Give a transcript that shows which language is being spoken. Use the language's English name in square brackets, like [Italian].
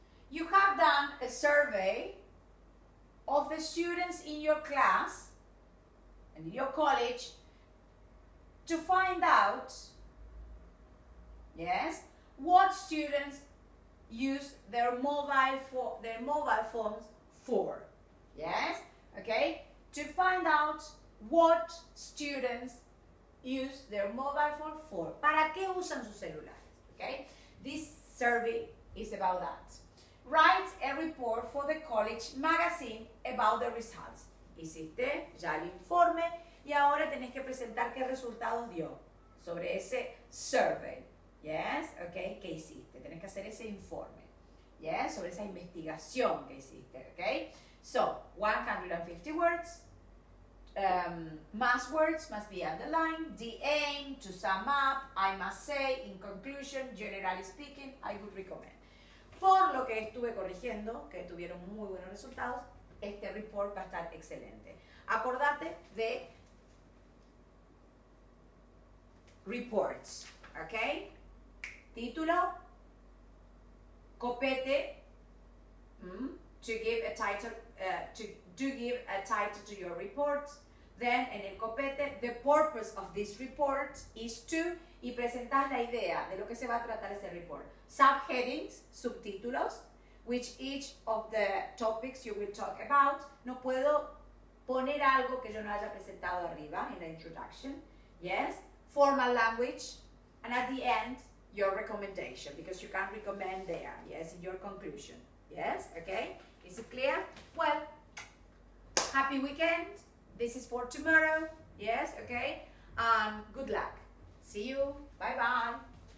[English] You have done a survey of the students in your class and in your college to find out, yes, what students use their mobile phones for. Yes? Okay? To find out what students use their mobile phone for. [Spanish] ¿Para qué usan sus celulares? [English] Okay? This survey is about that. Write a report for the college magazine about the results. [Spanish] Hiciste ya el informe y ahora tenés que presentar qué resultados dio sobre ese survey. [English] Yes? Okay? [Spanish] ¿Qué hiciste? Tenés que hacer ese informe. [English] Yes? [Spanish] Sobre esa investigación que hiciste. [English] Okay? So, 150 words. Must words must be underlined, the aim, to sum up, I must say, in conclusion, generally speaking, I would recommend. [Spanish] Por lo que estuve corrigiendo, que tuvieron muy buenos resultados, este report va a estar excelente. Acordate de reports, ¿ok? Título, copete, to give a title to your report. [English] Then, [Spanish] en el copete, [English] the purpose of this report is to, [Spanish] y presentar la idea de lo que se va a tratar ese report. [English] Subheadings, subtítulos, which each of the topics you will talk about. [Spanish] No puedo poner algo que yo no haya presentado arriba en la introduction. [English] Yes? Formal language. And at the end, your recommendation, because you can recommend there. Yes? In your conclusion. Yes? Okay? Is it clear? Well, happy weekend. This is for tomorrow, yes, okay? Good luck. See you. Bye-bye.